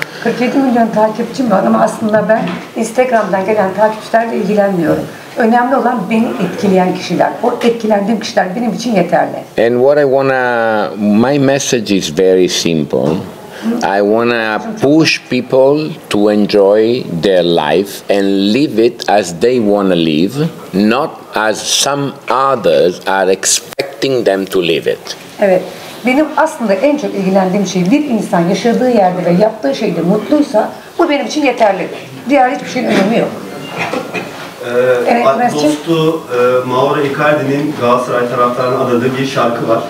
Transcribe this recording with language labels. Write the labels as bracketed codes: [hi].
[tr] 47 milyon takipçim var ama aslında ben Instagram'dan gelen takipçilerle ilgilenmiyorum. Önemli olan beni etkileyen kişiler. O etkilendiğim kişiler benim için yeterli. [en] And what I wanna, my message is very simple. I wanna push people to enjoy their life and live it as they wanna live, not as some others are expecting them to live it. [tr] Evet. Benim aslında en çok ilgilendiğim şey bir insan yaşadığı yerde ve yaptığı şeyde mutluysa bu benim için yeterli. Diğer hiçbir şeyin önemi yok. Dostu Mauro Icardi'nin Galatasaray taraftarına adadığı bir şarkı var.